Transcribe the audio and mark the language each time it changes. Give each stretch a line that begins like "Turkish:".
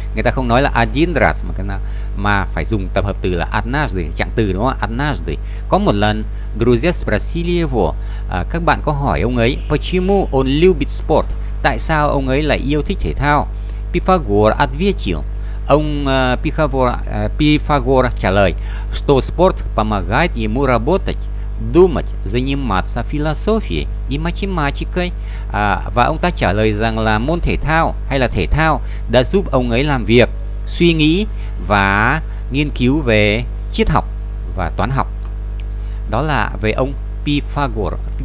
Vietnamese: Người ta không nói là
Russian: один раз
Vietnamese: mà phải dùng tập hợp từ là однажды, trạng từ đúng không? Однажды. Có một lần,
Russian: друзья спросили его.
Vietnamese: Các bạn có hỏi ông ấy,
Russian: почему он любит спорт?
Vietnamese: Tại sao ông ấy lại yêu thích thể thao? Pythagore
Russian: ответил.
Vietnamese: Ông
Russian: Пифагор
Vietnamese: trả lời,
Russian: что спорт помогает ему работать, думать, заниматься философией и математикой.
Vietnamese: Và ông ta trả lời rằng là môn thể thao hay là thể thao đã giúp ông ấy làm việc, suy nghĩ và nghiên cứu về triết học và toán học. Đó là về ông Пифагор.